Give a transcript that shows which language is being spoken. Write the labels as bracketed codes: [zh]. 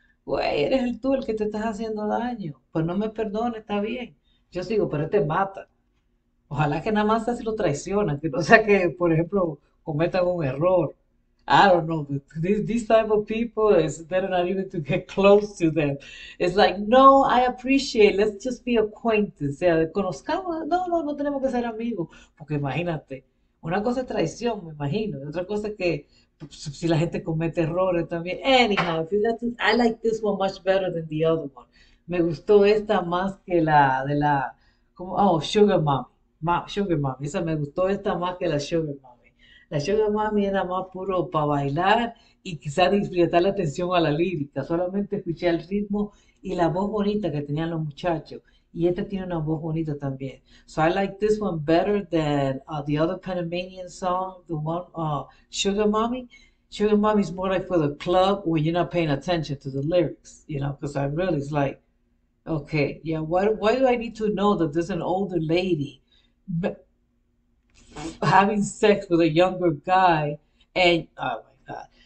[es] Güey, eres tú el que te estás haciendo daño. Pues no me perdone, está bien. Yo sigo, pero te mata. Ojalá que nada más así lo traicionan, que no sea que, por ejemplo, cometan un error. [en] I don't know, these type of people, it's better not even to get close to them. It's like, no, I appreciate, let's just be acquaintance. [es] O sea, conozcamos, no tenemos que ser amigos. Porque imagínate, una cosa es traición, me imagino. Y otra cosa es que, si la gente comete errores también. [en] Anyhow, if you got to, I like this one much better than the other one. [es] Me gustó esta más que la de la, como, Sugar Mommy. Sugar Mommy, esa me gustó esta más que la Sugar Mommy. La Sugar Mommy era más puro para bailar y quizás disfrutar la atención a la lírica. Solamente escuché el ritmo y la voz bonita que tenían los muchachos. Y esta tiene una voz bonita también. [en] So I like this one better than the other Panamanian song, the one Sugar Mommy. Sugar Mommy is more like for the club when you're not paying attention to the lyrics, you know, because I really is like, okay, yeah, why do I need to know that there's an older lady having sex with a younger guy, and oh my god,